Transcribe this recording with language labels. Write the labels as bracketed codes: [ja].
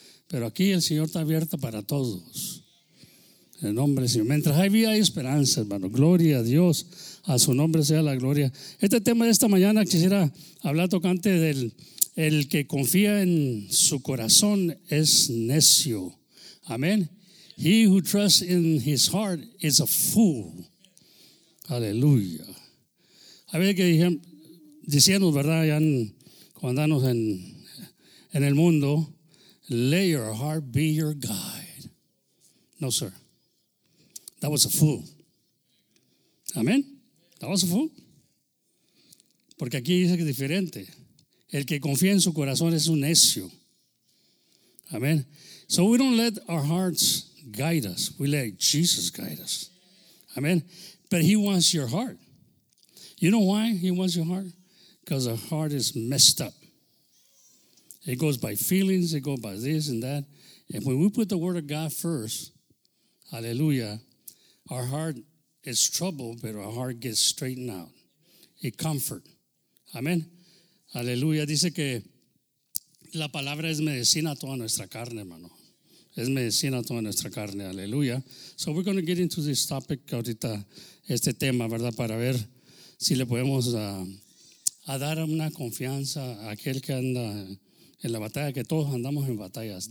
[es] Pero aquí el Señor está abierto para todos. En el nombre del Señor. Mientras hay vida, hay esperanza, hermano. Gloria a Dios. A su nombre sea la gloria. Este tema de esta mañana quisiera hablar tocante del el que confía en su corazón es necio. Amén. [en] He who trusts in his heart is a fool. [es] Aleluya. A ver que diciendo, ¿verdad? Ya cuando andamos en el mundo, [en] let your heart be your guide. No, sir. That was a fool. Amén. That was a fool. [es] Porque aquí dice que es diferente. El que confía en su corazón es un necio. Amén. [en] So we don't let our hearts guide us. We let Jesus guide us. Amen. But he wants your heart. You know why he wants your heart? Because our heart is messed up. It goes by feelings. It goes by this and that. And when we put the word of God first, hallelujah, our heart is troubled, but our heart gets straightened out. It comfort. Amen. Hallelujah. [es] Dice que la palabra es medicina a toda nuestra carne, hermano. Es medicina toda nuestra carne, aleluya. [en] So we're going to get into this topic [es] ahorita, este tema, ¿verdad? Para ver si le podemos a dar una confianza a aquel que anda en la batalla, que todos andamos en batallas.